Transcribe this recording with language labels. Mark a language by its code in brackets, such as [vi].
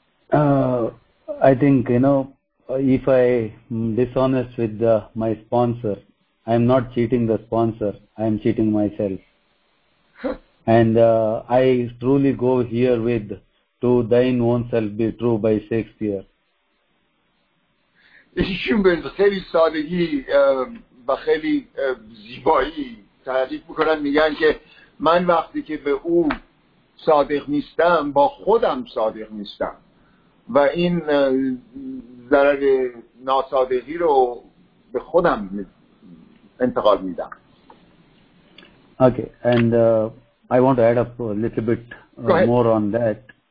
[en] I think, you know, if I am dishonest with my sponsor, I am not cheating the sponsor, I am cheating myself. And I truly go here with "to thine own self be true" by Shakespeare. [fa] ایشون به خیلی سادگی و خیلی زیبایی تعریف میکنن، میگن که من وقتی که به او صادق نیستم با خودم صادق نیستم، و این ضرر ناصادقی رو به خودم انتقال میدم. [en] Okay, and I want to add up a little bit more on that.